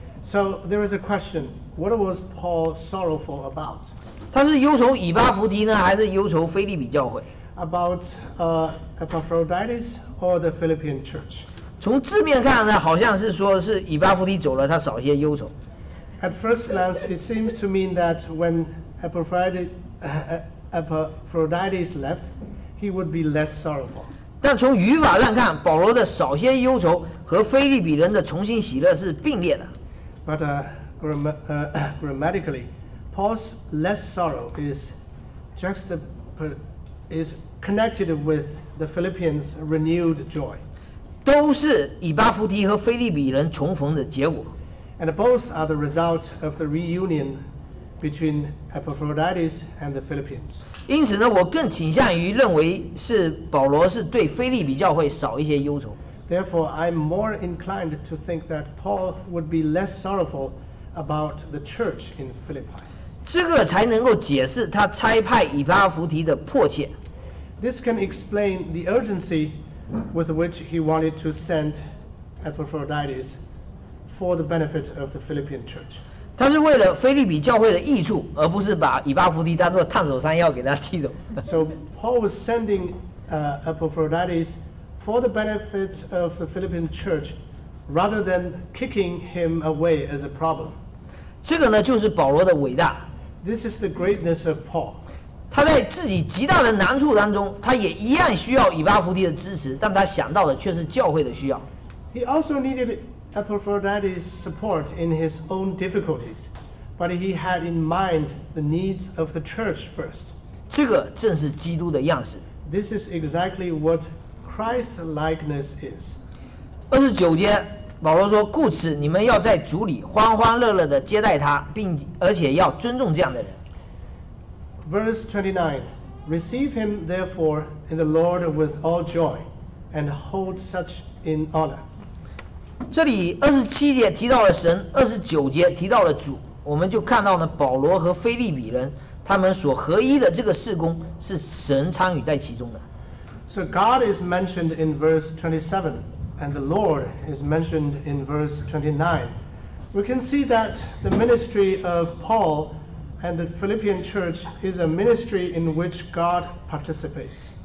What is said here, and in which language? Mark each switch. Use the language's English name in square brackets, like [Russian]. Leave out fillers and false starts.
[English] So there is a question. What was Paul sorrowful about? [Chinese] 他是忧愁以巴弗提呢，还是忧愁腓立比教会 [English] ？About Epaphroditus or the Philippian church? [Chinese] 从字面看呢，好像是说是以巴弗提走了，他少一些忧愁。 [English] At first glance, it seems to mean that when Epaphroditus left, he would be less sorrowful. [Chinese] 但从语法上看，保罗的少些忧愁和腓立比人的重新喜乐是并列的。 [English] But grammatically, Paul's less sorrow is connected with the Philippians' renewed joy. [Chinese] 都是以巴弗提和腓立比人重逢的结果。 [English] And both are the result of the reunion between Epaphroditus and the Philippians. [Chinese] 因此呢，我更倾向于认为是保罗是对腓立比教会少一些忧愁。 [English] Therefore, I'm more inclined to think that Paul would be less sorrowful about the church in Philippi. [Chinese] 这个才能够解释他差派以巴弗提的迫切。 [English] This can explain the urgency with which he wanted to send Epaphroditus for the benefit of the Philippian church. [Chinese] 他是为了腓立比教会的益处，而不是把以巴弗提当作烫手山药给他踢走。 [English] So Paul was sending Epaphroditus. For the benefit of the Philippian church, rather than kicking him away as a problem. [Chinese] 这个呢，就是保罗的伟大。 [English] This is the greatness of Paul. [Chinese] 他在自己极大的难处当中，他也一样需要以巴弗提的支持，但他想到的却是教会的需要。 [English] He also needed Epaphroditus' support in his own difficulties, but he had in mind the needs of the church first. [Chinese] 这个正是基督的样式。 [English] This is exactly what. Christ-likeness is. [Chinese] 二十九节，保罗说：“故此，你们要在主里欢欢乐乐的接待他，并而且要尊重这样的人。” [English] Verse 29, receive him therefore in the Lord with all joy, and hold such in honor. [Chinese] 这里二十七节提到了神，二十九节提到了主，我们就看到呢，保罗和腓立比人他们所合一的这个事工是神参与在其中的。 [English] So God is mentioned in verse 27, and the Lord is mentioned in verse 29. We can see that the ministry of Paul and the Philippian church is a ministry in which God participates.